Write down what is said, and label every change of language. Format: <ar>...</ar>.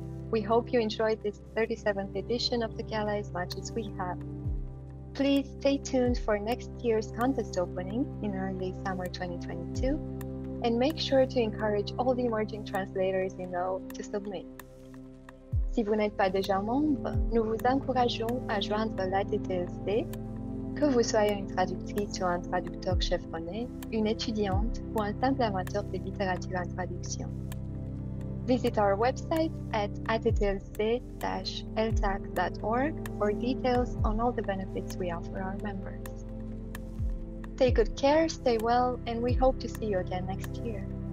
<en>We hope you enjoyed this 37th edition of the Gala as much as we have. Please stay tuned for next year's contest opening in early summer 2022, and make sure to encourage all the emerging translators you know to submit.</en> <fr>Si vous n'êtes pas déjà membre, nous vous encourageons à joindre l'ATTLC, que vous soyez une traductrice ou un traducteur chevronné, une étudiante ou un simple amateur de littérature en traduction.</fr> <en>Visit our website at attlc-ltac.org for details on all the benefits we offer our members. Take good care, stay well, and we hope to see you again next year.</en>